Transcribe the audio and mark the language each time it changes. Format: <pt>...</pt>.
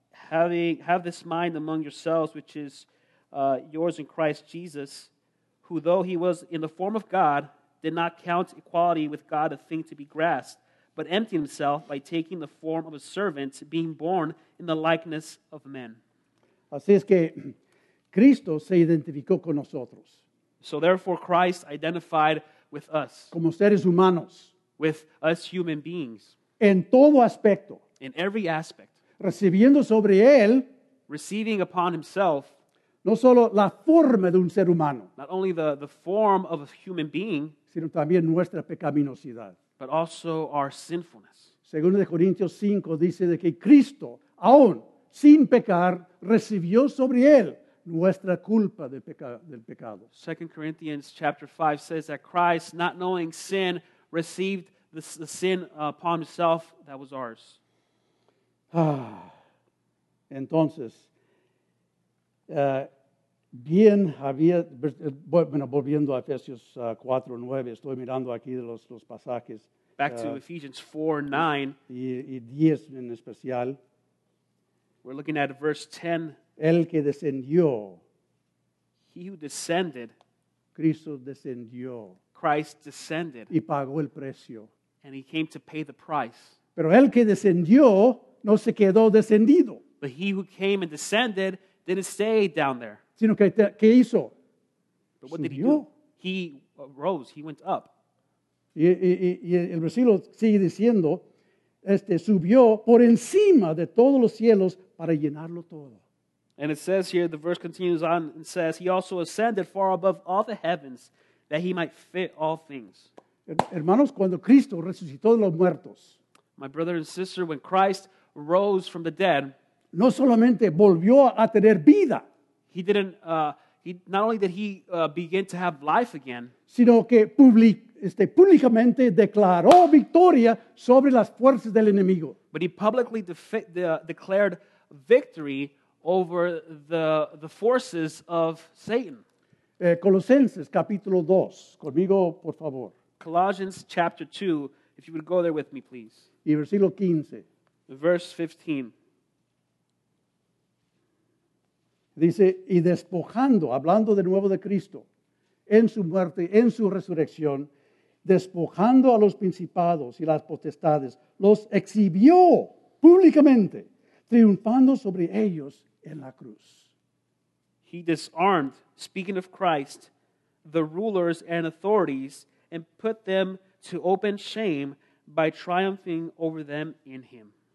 <en>Have this mind among yourselves, which is yours in Christ Jesus, who though he was in the form of God, did not count equality with God a thing to be grasped, but emptied himself by taking the form of a servant, being born in the likeness of men.</en> <es>Así es que Cristo se identificó con nosotros.</es> <en>So therefore Christ identified with us.</en> <es>Como seres humanos.</es> <en>With us human beings.</en> <es>En todo aspecto.</es> <en>In every aspect.</en> <es>Recibiendo sobre él.</es> <en>Receiving upon himself.</en> <es>No solo la forma de un ser humano.</es> <en>Not only the form of a human being.</en> <es>Sino también nuestra pecaminosidad.</es> <en>But also our sinfulness.</en> <es>Segundo de Corintios 5 dice de que Cristo, aún sin pecar, recibió sobre él nuestra culpa del pecado.</es> <en>2 Corinthians chapter 5 says that Christ, not knowing sin, received the sin upon himself that was ours.</en> <es>Entonces, bien había, bueno, volviendo a Efesios 4:9, estoy mirando aquí los pasajes.</es> <en>Back to Ephesians 4:9.</en> <es>Y 10 en especial.</es> <en>We're looking at verse 10.</en> <es>El que descendió.</es> <en>He who descended.</en> <es>Cristo descendió.</es> <en>Christ descended.</en> <es>Y pagó el precio.</es> <en>And he came to pay the price.</en> <es>Pero el que descendió no se quedó descendido.</es> <en>But he who came and descended didn't stay down there.</en> <es>Sino que, ¿qué hizo?</es> <en>But what did he do? He rose. He went up.</en> <es>Y el versículo sigue diciendo, subió por encima de todos los cielos para llenarlo todo.</es> <en>And it says here, the verse continues on and says, he also ascended far above all the heavens that he might fit all things.</en> <es>Hermanos, cuando Cristo resucitó de los muertos.</es> <en>My brother and sister, when Christ rose from the dead.</en> <es>No solamente volvió a tener vida.</es> <en>He didn't, not only did he begin to have life again.</en> <es>Sino que públicamente declaró victoria sobre las fuerzas del enemigo.</es> <en>But he publicly declared victory over the forces of Satan.</en> <es>Colosenses capítulo 2, conmigo por favor.</es> <en>Colossians chapter 2, if you would go there with me please.</en> <es>Y versículo 15.</es> <en>Verse 15.</en> <es>Dice, y despojando, hablando de nuevo de Cristo, en su muerte, en su resurrección, despojando a los principados y las potestades, los exhibió públicamente, triunfando sobre ellos en la cruz.</es> <en>He disarmed, speaking of Christ, the rulers and authorities, and put them to open shame by triumphing over them in him.</en>